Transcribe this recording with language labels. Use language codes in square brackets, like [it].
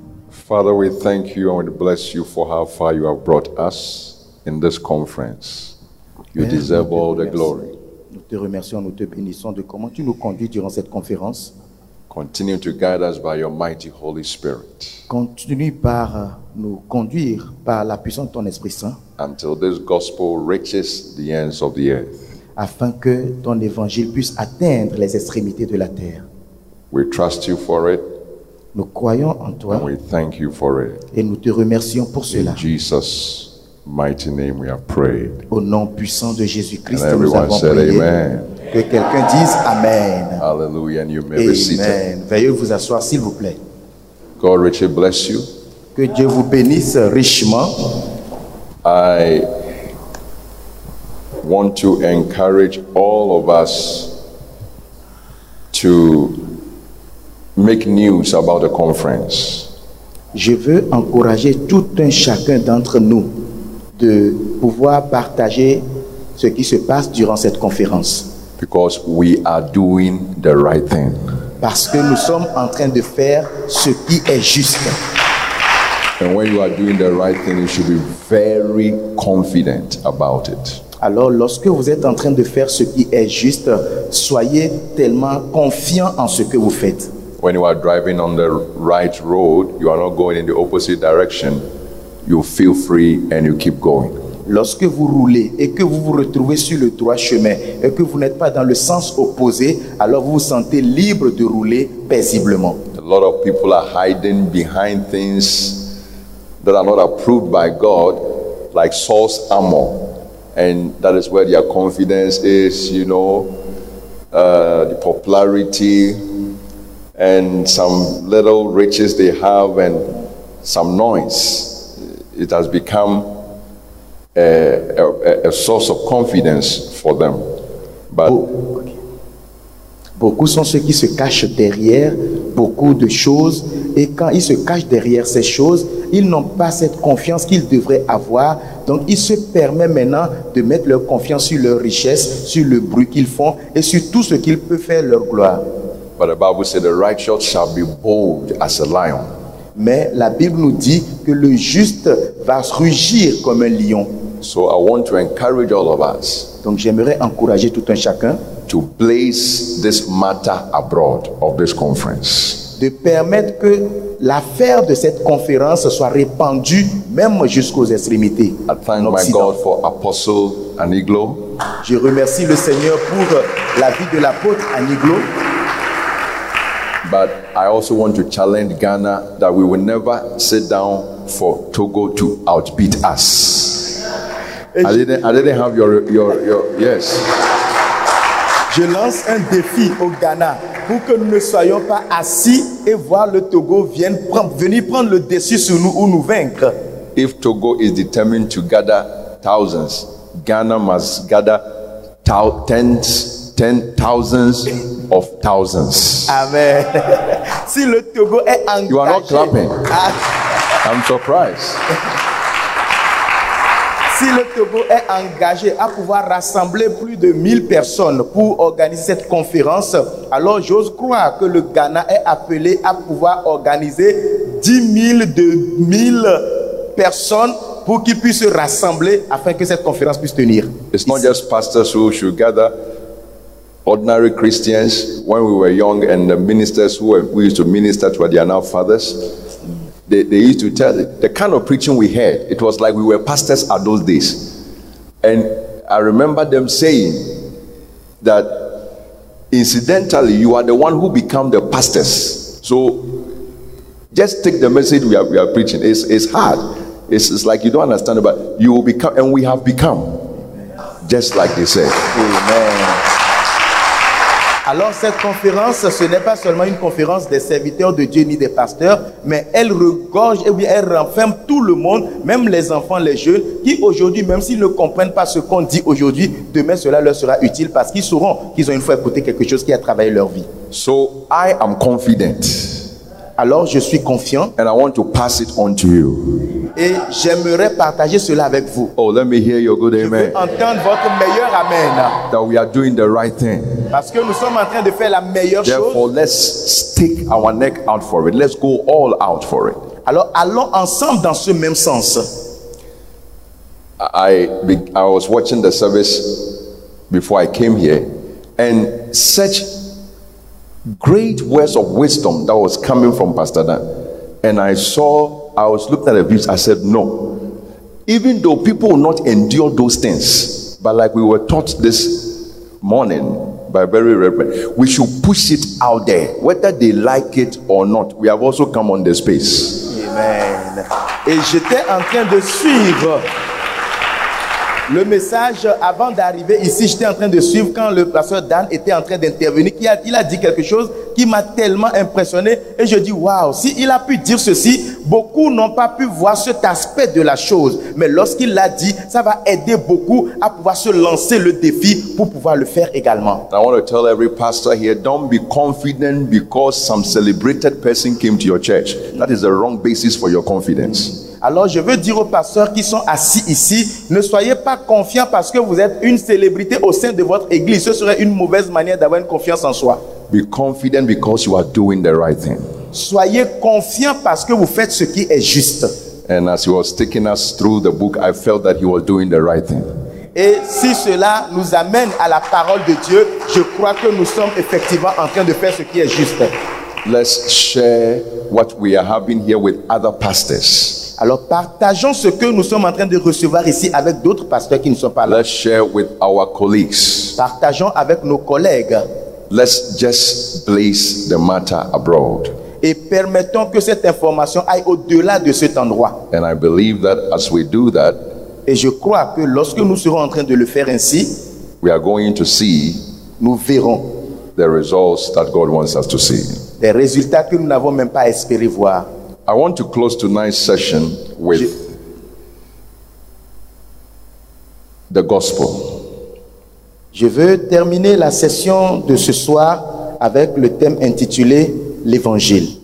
[en] Father, we thank you and we bless you for how far you have brought us in this conference. You deserve all the glory. [fr] Nous te remercions, nous te bénissons de comment tu nous conduis durant cette conférence. [en] Continue to guide us by your mighty Holy Spirit. [fr] Continue par nous conduire par la puissance de ton Esprit Saint. [en] Until this gospel reaches the ends of the earth. [fr] Afin que ton évangile puisse atteindre les extrémités de la terre. [en] We trust you for it. [fr] Nous croyons en toi. [en] And we thank you for it. [fr] Et nous te remercions pour cela. [en] In Jesus mighty name we have prayed. [fr] Au nom puissant de Jésus-Christ, [en] and [fr] nous avons prié. [en] Amen. [fr] Que quelqu'un dise amen. [en] Hallelujah, and you may amen. Be seated. [fr] Veuillez vous asseoir s'il vous plaît. [en] God richly bless you. [fr] Que Dieu vous bénisse richement. [en] I want to encourage all of us to make news about the conference. [fr] Je veux encourager tout un chacun d'entre nous de pouvoir partager ce qui se passe durant cette conférence. [en] Because we are doing the right thing. [fr] Parce que nous sommes en train de faire ce qui est juste. [en] And when you are doing the right thing, you should be very confident about it. [fr] Alors, lorsque vous êtes en train de faire ce qui est juste, soyez tellement confiant en ce que vous faites. [en] When you are driving on the right road, you are not going in the opposite direction. You feel free and you keep going. [fr] Lorsque vous roulez et que vous vous retrouvez sur le droit chemin et que vous n'êtes pas dans le sens opposé, alors vous vous sentez libre de rouler paisiblement. [en] A lot of people are hiding behind things that are not approved by God, like Saul's armor. And that is where their confidence is, you know, the popularity and some little riches they have and some noise. It has become a source of confidence for them. But [fr] beaucoup sont ceux qui se cachent derrière beaucoup de choses, et quand ils se cachent derrière ces choses, ils n'ont pas cette confiance qu'ils devraient avoir. Donc ils se permettent maintenant de mettre leur confiance sur leur richesse, sur le bruit qu'ils font et sur tout ce qu'ils peuvent faire leur gloire. [en] But the Bible says the righteous shall be bold as a lion. [fr] Mais la Bible nous dit que le juste va rugir comme un lion. [en] So I want to encourage all of us. [fr] Donc j'aimerais encourager tout un chacun [en] to place this matter abroad of this conference. [fr] De permettre que l'affaire de cette conférence soit répandue même jusqu'aux extrémités. [en] I thank my God for Apostle Aniglo. [fr] Je remercie le Seigneur pour la vie de l'apôtre Aniglo. [en] But I also want to challenge Ghana that we will never sit down for Togo to outbeat us. I didn't have your yes. [fr] Je lance un défi au Ghana pour que nous ne soyons pas assis et voir le Togo venir prendre le dessus sur nous ou nous vaincre. [en] If Togo is determined to gather thousands, Ghana must gather ten thousands of thousands. [fr] Amen. Si le Togo est engagé, [en] you are not clapping. I'm surprised. [fr] Si le Togo est engagé à pouvoir rassembler plus de 1000 personnes pour organiser cette conférence, alors j'ose croire que le Ghana est appelé à pouvoir organiser 10 000 personnes pour qu'ils puissent se rassembler afin que cette conférence puisse tenir. [en] It's not just pastors who should gather, ordinary Christians, when we were young and the ministers who used to minister to, they are now fathers. They used to tell the kind of preaching we heard. It was like we were pastors at those days. And I remember them saying that, incidentally, you are the one who become the pastors. So just take the message we are preaching. It's hard. It's like you don't understand it, but you will become, and we have become. Just like they said. Amen. [fr] Alors cette conférence, ce n'est pas seulement une conférence des serviteurs de Dieu ni des pasteurs, mais elle regorge et bien elle renferme tout le monde, même les enfants, les jeunes, qui aujourd'hui, même s'ils ne comprennent pas ce qu'on dit aujourd'hui, demain cela leur sera utile parce qu'ils sauront qu'ils ont une fois écouté quelque chose qui a travaillé leur vie. [en] So I am confident. [fr] Alors je suis confiant. [en] And I want to pass it on to you. [fr] Et j'aimerais partager cela avec vous. [en] Oh, let me hear your good amen. [fr] Je veux entendre votre meilleur amen. [en] That we are doing the right thing. [fr] Parce que nous sommes en train de faire la meilleure [en] Therefore, [fr] chose. [en] Therefore, let's stick our neck out for it. Let's go all out for it. [fr] Alors allons ensemble dans ce même sens. [en] I was watching the service before I came here, and such great words of wisdom that was coming from Pastor Dan. And I was looking at the views. I said, no, even though people will not endure those things, but like we were taught this morning by very reverend, we should push it out there, whether they like it or not. We have also come on the space. Amen. [fr] Et j'étais en train de suivre le message avant d'arriver ici. J'étais en train de suivre quand le pasteur Dan était en train d'intervenir. Il a dit quelque chose qui m'a tellement impressionné. Et je dis, waouh, si il a pu dire ceci, beaucoup n'ont pas pu voir cet aspect de la chose. Mais lorsqu'il l'a dit, ça va aider beaucoup à pouvoir se lancer le défi pour pouvoir le faire également. [en] I want to tell every pastor here, don't be confident because some celebrated person came to your church. That is the wrong basis for your confidence. [fr] Alors, je veux dire aux pasteurs qui sont assis ici, ne soyez pas confiants parce que vous êtes une célébrité au sein de votre église. Ce serait une mauvaise manière d'avoir une confiance en soi. [en] Be confident because you are doing the right thing. [fr] Soyez confiants parce que vous faites ce qui est juste. [en] And as he was taking us through the book, I felt that he was doing the right thing. [fr] Et si cela nous amène à la parole de Dieu, je crois que nous sommes effectivement en train de faire ce qui est juste. [en] Let's share what we are having here with other pastors. [fr] Alors partageons ce que nous sommes en train de recevoir ici avec d'autres pasteurs qui ne sont pas là. [en] Let's share with our colleagues. [fr] Partageons avec nos collègues. [en] Let's just place the matter abroad. [fr] Et permettons que cette information aille au-delà de cet endroit. [en] And I believe that as we do that, [fr] et je crois que lorsque nous serons en train de le faire ainsi, [en] we are going to see [fr] nous verrons [en] the results that God wants us to see. [fr] Les résultats que nous n'avons même pas espéré voir. [en] I want to close tonight's session with the gospel. [fr] Je veux terminer la session de ce soir avec le thème intitulé l'évangile.